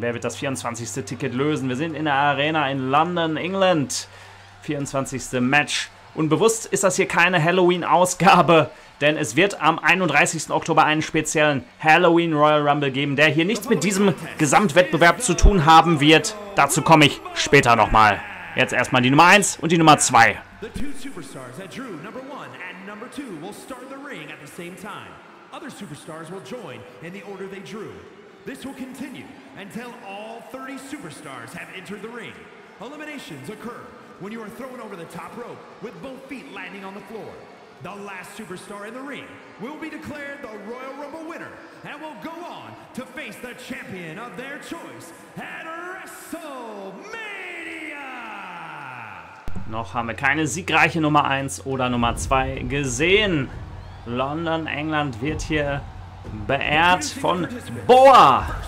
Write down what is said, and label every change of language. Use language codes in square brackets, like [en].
[de] Wer wird das 24. Ticket lösen? Wir sind in der Arena in London, England. 24. Match. Und bewusst ist das hier keine Halloween-Ausgabe, denn es wird am 31. Oktober einen speziellen Halloween Royal Rumble geben, der hier nichts mit diesem Gesamtwettbewerb zu tun haben wird. Dazu komme ich später nochmal. Jetzt erstmal die Nummer 1 und die Nummer 2. [en] The two superstars that drew number 1 and number 2 will start the ring at the same time. Other superstars will join in the order they drew. This will continue until all 30 superstars have entered the ring. Eliminations occur when you are thrown over the top rope with both feet landing on the floor. The last superstar in the ring will be declared the Royal Rumble winner and will go on to face the champion of their choice at WrestleMania. [de] Noch haben wir keine siegreiche Nummer 1 oder Nummer 2 gesehen. London, England wird hier beehrt von Boa.